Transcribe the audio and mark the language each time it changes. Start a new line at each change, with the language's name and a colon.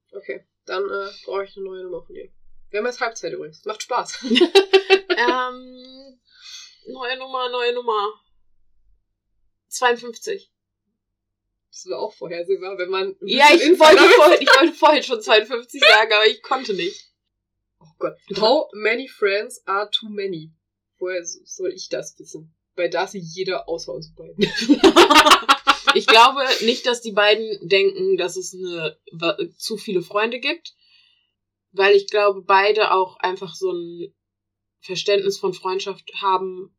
German: Okay, dann brauche ich eine neue Nummer von dir. Wir haben jetzt Halbzeit übrigens. Macht Spaß. neue Nummer. 52. Das war auch vorhersehbar, wenn man... Ja, ich wollte vorhin schon 52 sagen, aber ich konnte nicht. Oh Gott.
English: How many friends are too many?
German: Woher soll ich das wissen? Bei Darcy jeder außer uns beiden. Ich glaube nicht, dass die beiden denken, dass es zu viele Freunde gibt. Weil ich glaube, beide auch einfach so ein Verständnis von Freundschaft haben.